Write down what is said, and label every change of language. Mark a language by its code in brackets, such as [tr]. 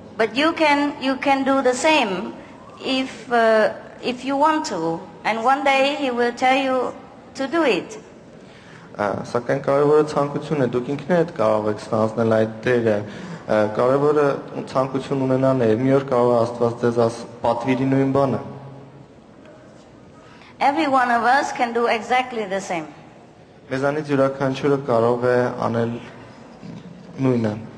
[en] But you can do the same if you want to, and one day he will tell you to do it. [hy] Սակայն կարևորը ցանկությունն է, դուք ինքներդ կարող եք ստանձնել այդ դերը։ Կարևորը ցանկություն ունենալն է, մի օր կարող է Աստված ձեզ պատվիրի նույն բանը։ [en] Every one of us can do exactly the same. [hy] Մեզանից յուրաքանչյուրը կարող է անել նույնը։